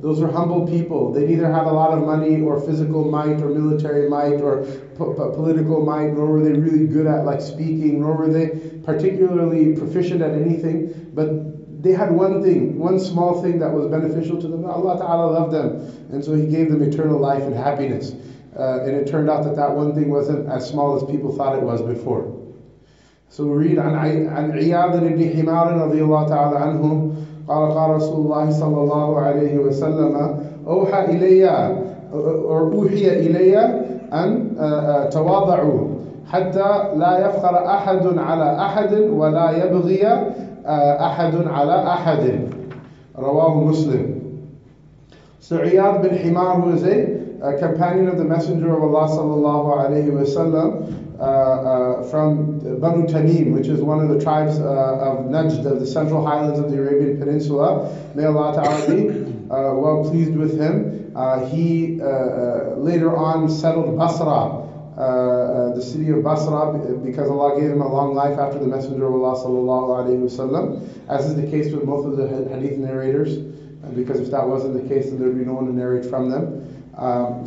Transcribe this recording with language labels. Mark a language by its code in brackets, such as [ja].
[en] Those are humble people. They neither have a lot of money or physical might or military might or political might, nor were they really good at like speaking, nor were they particularly proficient at anything. But they had one thing, one small thing that was beneficial to them. Allah Ta'ala loved them, and so He gave them eternal life and happiness. And it turned out that one thing wasn't as small as people thought it was before. So we read [ar] عن عياض بن حمار رضي الله تعالى عنه قال قال رسول الله صلى الله عليه وسلم أوحى إلي أو أوحي إلي أن تواضعوا حتى لا يفخر أحد على أحد ولا يبغي أحد على أحد رواه مسلم. [en] So عياض بن حمار, who is a companion of the Messenger of Allah صلى الله عليه وسلم, from Banu Tamim, which is one of the tribes of Najd, of the central highlands of the Arabian Peninsula. May Allah Ta'ala be well pleased with him. He later on settled Basra, the city of Basra, because Allah gave him a long life after the Messenger of Allah sallallahu alaihi wasallam, as is the case with both of the hadith narrators, because if that wasn't the case, then there'd be no one to narrate from them.